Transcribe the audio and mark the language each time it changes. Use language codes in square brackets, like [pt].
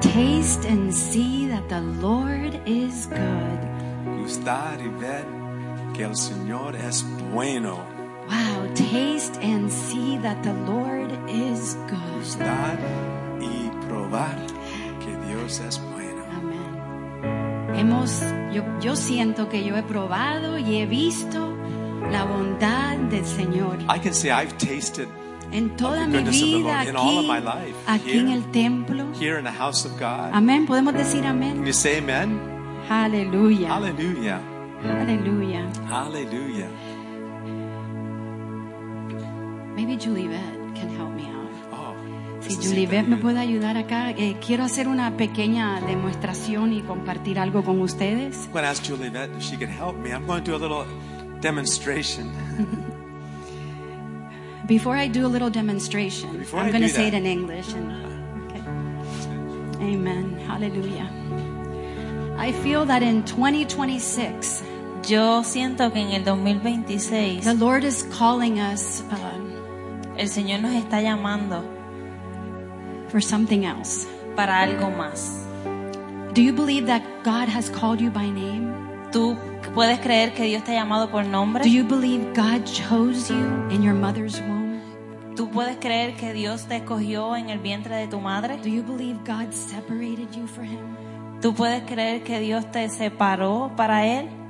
[en] Taste and see that the Lord is good. [es] Gustar y ver que el Señor es bueno. [en] Wow. Taste and see that the Lord is good. [es] Gustar y probar que Dios es bueno. [en] Amen. [es] Yo siento que yo he probado y he visto la bondad del Señor. [en] I can say I've tasted. [es] En toda mi vida aquí en el templo. [en] Here in the house of God. [es] Amén, podemos decir amén. [en] Can you say amen? Hallelujah. Hallelujah. Hallelujah. Hallelujah. Maybe Julivette can help me out. Oh, [es] si Julivette me puede ayudar acá, quiero hacer una pequeña demostración y compartir algo con ustedes. [en] I'm going to ask Julivette if she can help me. I'm going to do a little demonstration. Before I do a little demonstration, I'm going to say that it in English. Okay. Amen. Hallelujah. I feel that in 2026, [es] yo siento que en el 2026, [en] the Lord is calling us. [es] El Señor nos está llamando [en] for something else. [es] Para algo más. [en] Do you believe that God has called you by name? [es] ¿Tú puedes creer que Dios te ha llamado por nombre? [en] Do you believe God chose you in your mother's womb? [es] ¿Tú puedes creer que Dios te escogió en el vientre de tu madre? [en] Do you believe God separated you for him? [es] ¿Tú puedes creer que Dios te separó para él?